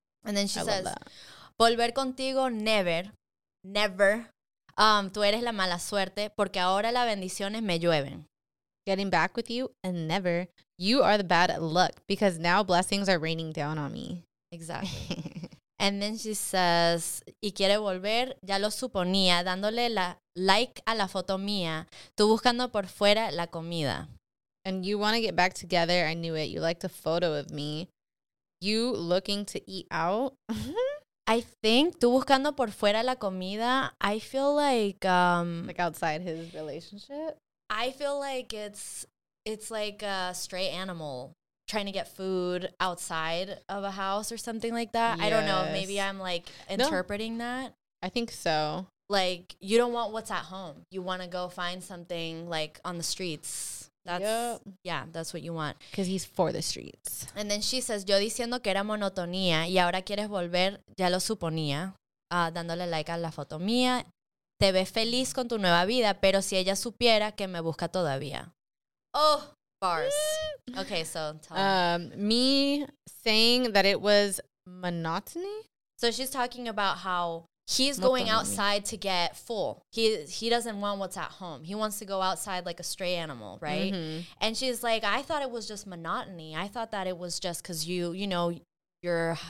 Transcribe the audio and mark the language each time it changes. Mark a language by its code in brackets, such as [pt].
[en] And then she says, [es] volver contigo, [en] never, never. [es] Tú eres la mala suerte porque ahora las bendiciones me llueven. [en] Getting back with you and never. You are the bad luck because now blessings are raining down on me. Exactly. And then she says, [es] y quiere volver, ya lo suponía, dándole la like a la foto mía, tú buscando por fuera la comida. [en] And you want to get back together, I knew it, you liked a photo of me. You looking to eat out. I think, [es] tú buscando por fuera la comida, [en] I feel like... Like outside his relationship? I feel like it's like a stray animal. Trying to get food outside of a house or something like that. Yes. I don't know. Maybe I'm like interpreting that. I think so. Like you don't want what's at home. You want to go find something like on the streets. That's yeah, that's what you want. Because he's for the streets. And then she says, [es] yo diciendo que era monotonía y ahora quieres volver, ya lo suponía. Dándole like a la foto mía. Te ves feliz con tu nueva vida, pero si ella supiera que me busca todavía. [en] Oh, bars. Okay, so tell me. Me saying that it was monotony. So she's talking about how he's going outside to get full. He doesn't want what's at home. He wants to go outside like a stray animal, right? Mm-hmm. And she's like, I thought it was just monotony. I thought that it was just because you know, you're